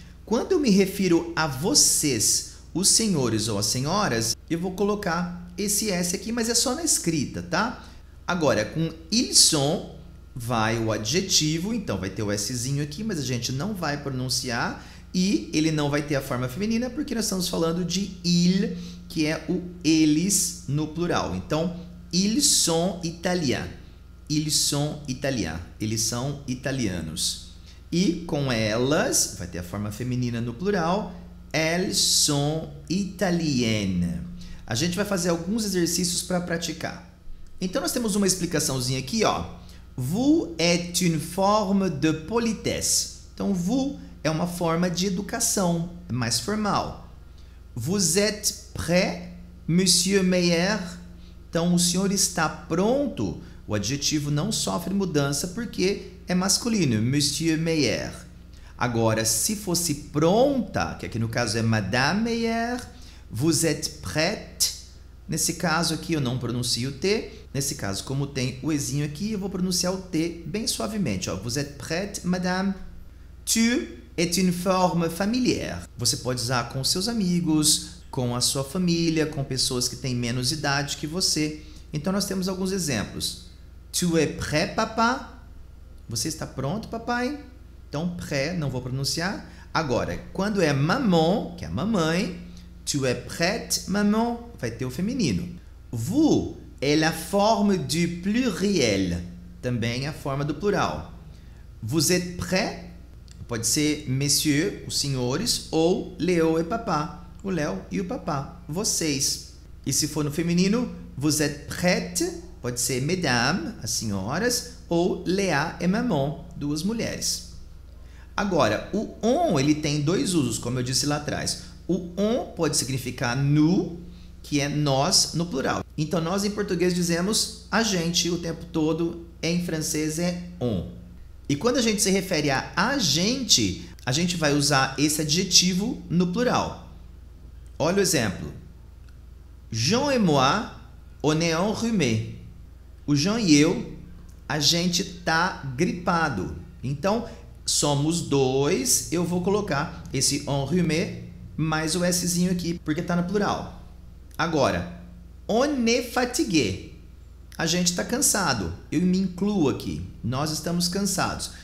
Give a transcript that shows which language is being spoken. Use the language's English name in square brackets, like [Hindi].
[Portuguese] Quando eu me refiro a vocês, os senhores ou as senhoras, eu vou colocar esse S aqui, mas é só na escrita, tá? Agora, com [French] ils sont, [Portuguese] vai o adjetivo, então vai ter o Szinho aqui, mas a gente não vai pronunciar. E ele não vai ter a forma feminina porque nós estamos falando de il, que é o eles no plural. [French] Então, ils sont italiens. Ils sont italiens. [Portuguese] Eles são italianos. E com elas, vai ter a forma feminina no plural, [French] elles sont italiennes. [Portuguese] A gente vai fazer alguns exercícios para praticar. Então, nós temos uma explicaçãozinha aqui, ó. [French] Vous êtes une forme de politesse. [Portuguese] Então, vous é uma forma de educação, mais formal. [French] Vous êtes prêt, monsieur Meyer? [Portuguese] Então, o senhor está pronto? O adjetivo não sofre mudança porque é masculino, monsieur Meyer. Agora, se fosse pronta, que aqui no caso é madame Meyer, [French] vous êtes prête? [Portuguese] Nesse caso aqui eu não pronuncio o T. Nesse caso, como tem o Ezinho aqui, eu vou pronunciar o T bem suavemente. Ó. [French] Vous êtes prête, madame? Tu est une forme familière. [Portuguese] Você pode usar com seus amigos, com a sua família, com pessoas que têm menos idade que você. Então, nós temos alguns exemplos. [French] Tu es prêt, papa? [Portuguese] Você está pronto, papai? Então, prêt, não vou pronunciar. Agora, quando é maman, que é mamãe, [French] tu es prête, maman, [Portuguese] vai ter o feminino. Vous é [French] la forme du pluriel. [Portuguese] Também é a forma do plural. [French] Vous êtes prêts? [Portuguese] Pode ser messieurs, os senhores, ou Léo et papa, o Léo e o papá, vocês. E se for no feminino, [French] vous êtes prêtes? [Portuguese] Pode ser mesdames, as senhoras, ou Léa et maman, duas mulheres. Agora, o on, ele tem dois usos, como eu disse lá atrás. O on pode significar nous, que é nós no plural. Então, nós em português dizemos a gente o tempo todo, em francês é on. E quando a gente se refere a gente vai usar esse adjetivo no plural. Olha o exemplo. [French] Jean et moi, on est enrhumé. [Portuguese] O Jean e eu, a gente tá gripado. Então, somos dois, eu vou colocar esse enrhumé mais o Szinho aqui, porque tá no plural. Agora, [French] on est fatigué. [Portuguese] A gente está cansado. Eu me incluo aqui. Nós estamos cansados.